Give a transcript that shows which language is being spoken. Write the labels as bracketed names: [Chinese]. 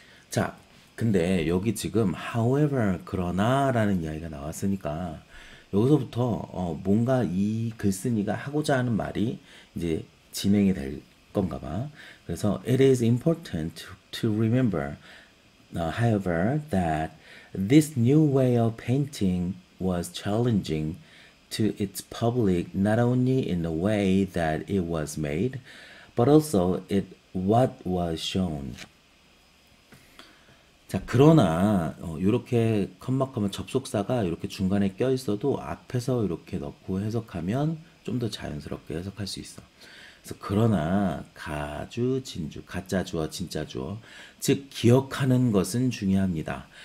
[Korean] 자. 근데 여기 지금 however 그러나라는 이야기가 나왔으니까 여기서부터 뭔가 이 글쓴이가 하고자 하는 말이 이제 진행이 될 건가 봐. 그래서 [English] it is important to remember, however, that this new way of painting was challenging to its public not only in the way that it was made, but also what was shown. [Korean] 자, 그러나 이렇게 컴마컴마 접속사가 이렇게 중간에 껴 있어도 앞에서 이렇게 넣고 해석하면 좀더 자연스럽게 해석할 수 있어. 그래서 그러나 가주 진주 가짜 주어 진짜 주어 즉 기억하는 것은 중요합니다.